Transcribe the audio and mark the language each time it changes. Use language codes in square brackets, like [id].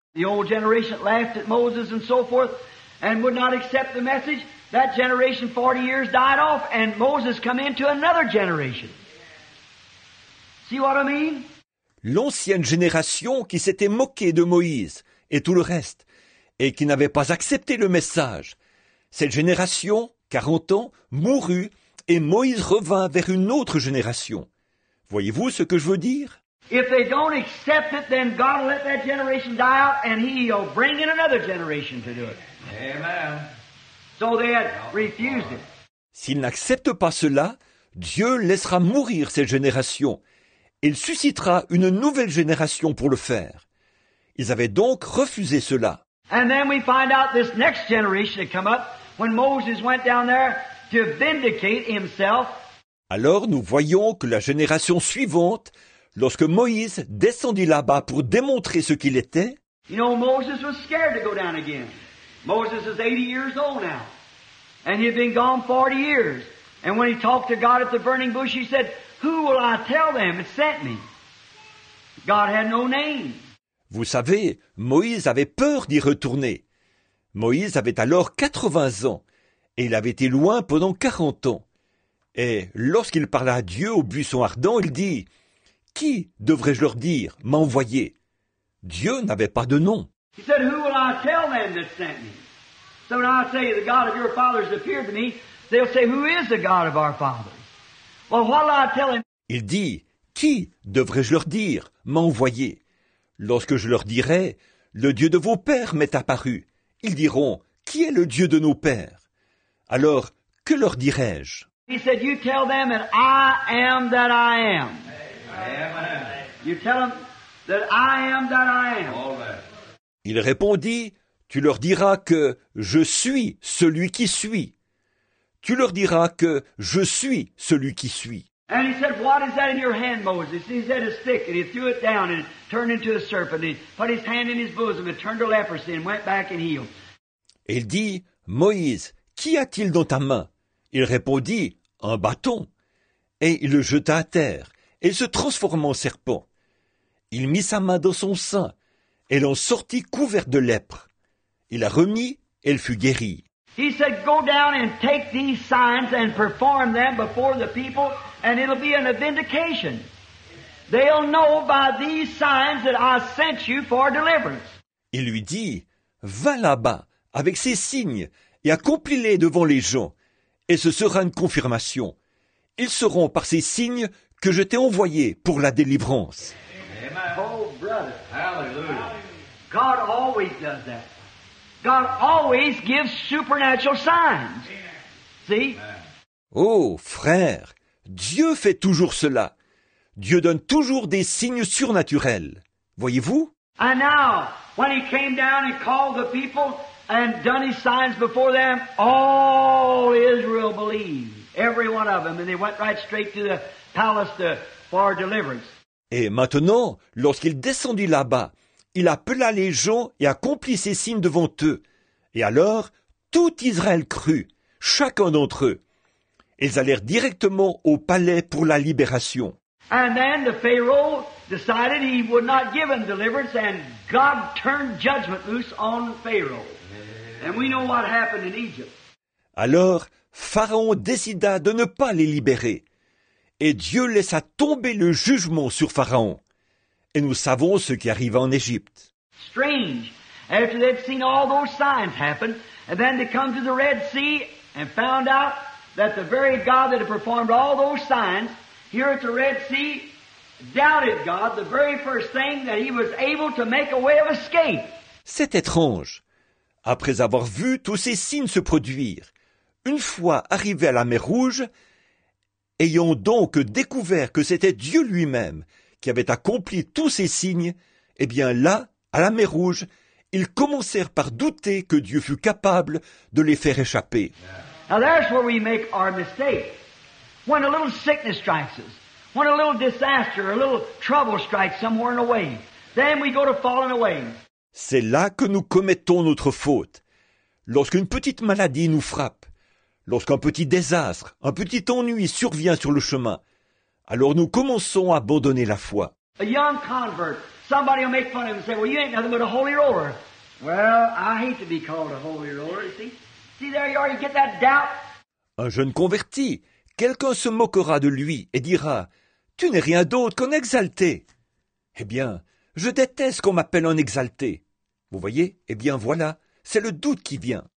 [en] The old generation laughed at Moses and so forth and would not accept the message. That generation 40 years died off and Moses come into another generation. See what I mean? [fr] L'ancienne génération qui s'était moquée de Moïse et tout le reste, et qui n'avait pas accepté le message. Cette génération, 40 ans, mourut, et Moïse revint vers une autre génération. Voyez-vous ce que je veux dire? [en] If they don't accept it, then God will let that generation die out, and he'll bring in another generation to do it. Amen. So they had refused it. [fr] S'ils n'acceptent pas cela, Dieu laissera mourir cette génération. Il suscitera une nouvelle génération pour le faire. Ils avaient donc refusé cela. [en] And then we find out this next generation had come up when Moses went down there to vindicate himself. [fr] Alors nous voyons que la génération suivante, lorsque Moïse descendit là-bas pour démontrer ce qu'il était, [en] you know, Moses was scared to go down again. Moses is 80 years old now. And he had been gone 40 years. And when he talked to God at the burning bush, he said, "Who will I tell them that sent me?" God had no name. [fr] Vous savez, Moïse avait peur d'y retourner. Moïse avait alors 80 ans et il avait été loin pendant 40 ans. Et lorsqu'il parla à Dieu au buisson ardent, il dit, « Qui, devrais-je leur dire, m'envoyer ?» Dieu n'avait pas de nom. [en] He said, "Who will I tell them that sent me?" So when I say, "The God of your fathers appeared to me," they'll say, "Who is the God of our fathers?" Well, what will I tell him? [fr] Il dit, « Qui, devrais-je leur dire, m'envoyer ?» Lorsque je leur dirai, « Le Dieu de vos pères m'est apparu », ils diront, « Qui est le Dieu de nos pères ?» Alors, que leur dirai-je ? [en] He said, "You tell them that I am that I am." Amen. You tell them that I am that I am. All right. [fr] Il répondit, « Tu leur diras que je suis celui qui suis. Tu leur diras que je suis celui qui suis. [en] And he said, what is that in your hand, Moses? He said, a stick, and he threw it down and turned into a serpent. He put his hand in his bosom and turned to leprosy and went back and healed. [fr] Et il dit, Moïse, qu'y a-t-il dans ta main? Il répondit, un bâton. Et il le jeta à terre, et se transforma en serpent. Il mit sa main dans son sein, et l'en sortit couvert de lèpre. Il la remit, et elle fut guérie. [en] He said, go down and take these signs and perform them before the people, and it'll be a vindication. They'll know by these signs that I sent you for deliverance. [fr] Il lui dit, va là-bas avec ces signes et accomplis-les devant les gens, et ce sera une confirmation. Ils sauront par ces signes que je t'ai envoyé pour la délivrance. [en] Amen. Oh, brother. Hallelujah. God always does that. God always gives supernatural signs. See? [fr] Oh, frère, Dieu fait toujours cela. Dieu donne toujours des signes surnaturels. Voyez-vous? [en] And now, when he came down and called the people and done his signs before them, all Israel believed. Every one of them. And they went right straight to the palace to, for deliverance. [fr] Et maintenant, lorsqu'il descendit là-bas, il appela les gens et accomplit ses signes devant eux. Et alors, tout Israël crut, chacun d'entre eux. Ils allèrent directement au palais pour la libération. [en] And then the Pharaoh decided he would not give him deliverance, and God turned judgment loose on Pharaoh. And we know what happened in Egypt. [fr] Alors, Pharaon décida de ne pas les libérer. Et Dieu laissa tomber le jugement sur Pharaon. Et nous savons ce qui arriva en Égypte. [en] Strange. After they'd seen all those signs happen, and then they come to the Red Sea and found out that the very God that had performed all those signs here at the Red Sea doubted God the very first thing that he was able to make a way of escape. [fr] C'est étrange. Après avoir vu tous ces signes se produire, une fois arrivés à la mer Rouge, ayant donc découvert que c'était Dieu lui-même qui avait accompli tous ces signes, eh bien là, à la mer Rouge, ils commencèrent par douter que Dieu fût capable de les faire échapper. [en] Now that's where we make our mistake. When a little sickness strikes us, when a little disaster, a little trouble strikes somewhere in the way, then we go to falling away. [fr] C'est là que nous commettons notre faute. Lorsqu'une petite maladie nous frappe, lorsqu'un petit désastre, un petit ennui survient sur le chemin, alors nous commençons à abandonner la foi. [en] A young convert, somebody will make fun of him and say, well, you ain't nothing but a holy roller. Well, I hate to be called a holy roller, see there you are, you get that doubt. [fr] Un jeune converti, quelqu'un se moquera de lui et dira, tu n'es rien d'autre qu'un exalté. Eh bien, je déteste qu'on m'appelle un exalté. Vous voyez, eh bien voilà, c'est le doute qui vient.